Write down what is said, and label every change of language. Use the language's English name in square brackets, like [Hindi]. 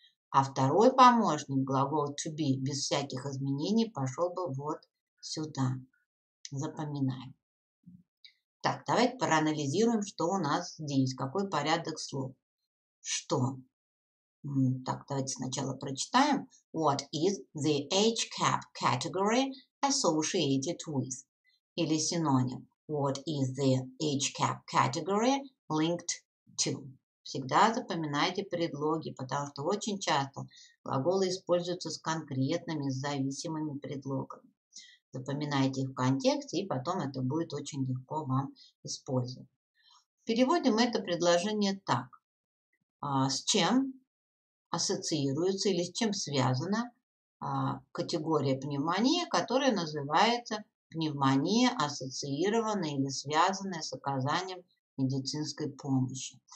[Russian] А второй помощник, глагол to be, без всяких изменений, пошел бы вот сюда. Запоминаем. Так, давайте проанализируем, что у нас здесь, какой порядок слов. Что? Так, давайте сначала прочитаем. [English] What is the age cap category associated with? [Russian] Или синоним. [English] What is the age cap category linked to? [Russian] Всегда запоминайте предлоги, потому что очень часто глаголы используются с конкретными, с зависимыми предлогами. Запоминайте их в контексте, и потом это будет очень легко вам использовать. Переводим это предложение так. С чем ассоциируется или с чем связана категория пневмонии, которая называется пневмония, ассоциированная или связанная с оказанием медицинской помощи.